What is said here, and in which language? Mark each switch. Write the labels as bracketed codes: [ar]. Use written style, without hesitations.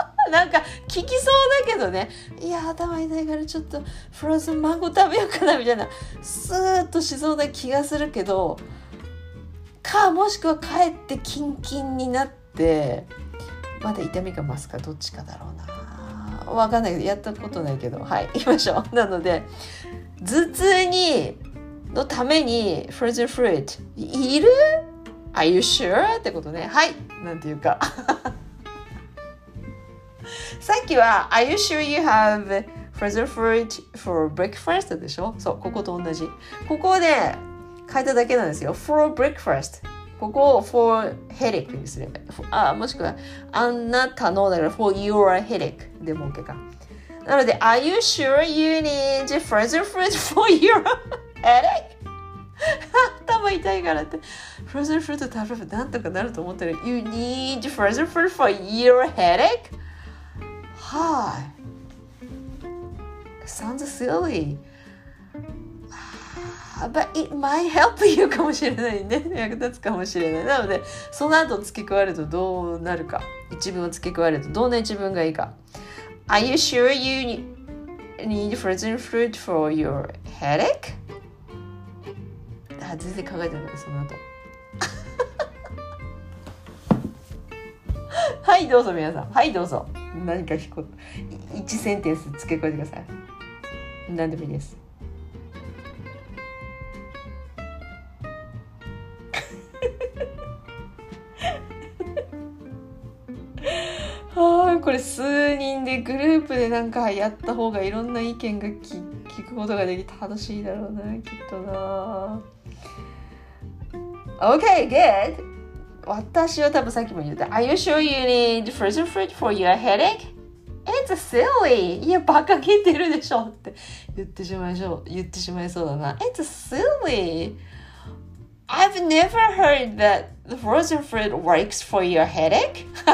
[ja] なんか聞きそうだけどね、いや頭痛いからちょっとフローズンマンゴー食べようかなみたいな、スーッとしそうな気がするけど、かもしくは帰ってキンキンになってまだ痛みが増すか、どっちかだろうな、わかんないけど、やったことないけど、はい、行きましょう。なので頭痛にのためにフローズンフルーツいる？ [en] Are you sure? [ja] ってことね、はい、なんていうか。さっきは [en] Are you sure you have frozen fruit for breakfast? [ja] でしょ？そう、ここと同じ。ここで変えただけなんですよ。 [en] For breakfast。 [ja] ここを [en] for headache [ja] にすれば。あ、もしくはあなたのだから [en] for your headache [ja] でも OK か。なので [en] Are you sure you need frozen fruit for your headache? [ja] 頭痛いからって。Frozen fruit 食べればなんとかなると思ってる。 [en] You need frozen fruit for your headache? [ja] はい、 [en] Sounds silly. But it might help you [ja] かもしれないね。役立つかもしれない。なので、その後付け加えるとどうなるか。一文を付け加えるとどんな一文がいいか。 Are you sure you need frozen fruit for your headache? 全然考えてない、その後。はい、どうぞ皆さん。はい、どうぞ。何か一センテンス付け加えてください。何でもいいです。はあ、これ数人でグループでなんかやった方がいろんな意見が聞くことができて楽しいだろうな、きっとな。 [en] Okay, good! [ja] 私は多分さっきも言った [en] Are you sure you need frozen fruit for your headache? It's silly! [ja] いや、バカげてるでしょって言ってしまいそう、言ってしまいそうだな。 [en] It's silly! I've never heard that the frozen fruit works for your headache.